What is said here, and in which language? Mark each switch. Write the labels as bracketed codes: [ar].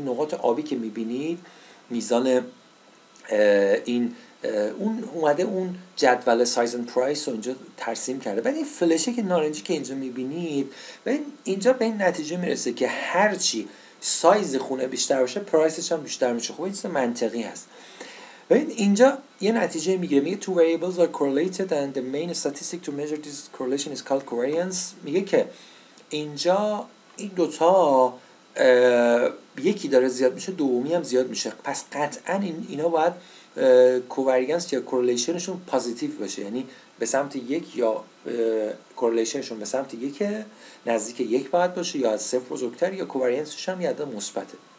[fa] نقاط آبی که میبینید میزان این اون اومده اون جدول سایز اند پرایس رو اینجا ترسیم کرده. بعد این فلشه که نارنجی که اینجا میبینید، ببین اینجا به این نتیجه میرسه که هرچی سایز خونه بیشتر باشه پرایسش هم بیشتر میشه. خب این چیز منطقی هست. ببین اینجا یه نتیجه میگیره، میگه [en] two variables are correlated and the main statistic to measure this correlation is called covariance. [fa] میگه که اینجا این دوتا یکی داره زیاد میشه دومی هم زیاد میشه، پس قطعا اینا باید کووریانس یا کورلیشنشون پوزیتیو باشه، یعنی به سمت یک، یا کورلیشنشون به سمت یک نزدیک یک باید باشه، یا از صفر بزرگتر، یا کووریانسش هم یه عدد مثبته.